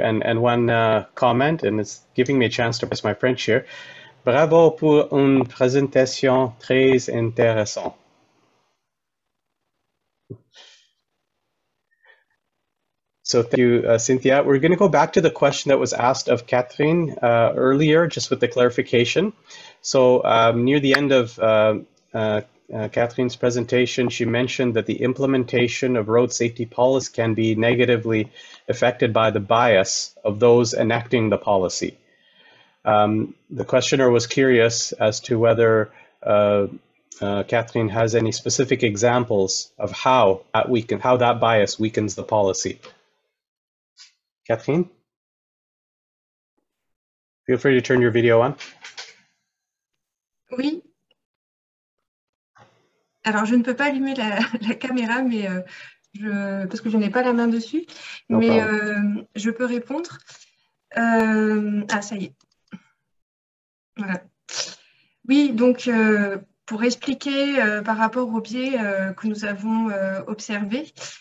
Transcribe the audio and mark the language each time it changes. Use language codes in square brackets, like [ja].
[en] And one comment, and it's giving me a chance to press my French here. [fr] Bravo pour une présentation très intéressante. [en] So thank you, Cynthia. We're going to go back to the question that was asked of Catherine earlier, just with the clarification. So near the end of Catherine's presentation, she mentioned that the implementation of road safety policy can be negatively affected by the bias of those enacting the policy. The questioner was curious as to whether Catherine has any specific examples of how that bias weakens the policy. Catherine, feel free to turn your video on. [fr] Oui. Alors, je ne peux pas allumer la caméra, mais parce que je n'ai pas la main dessus, [en] no [fr] mais [en] problem. [fr] Je peux répondre. Ça y est. Voilà. Oui, donc pour expliquer par rapport au biais que nous avons observé.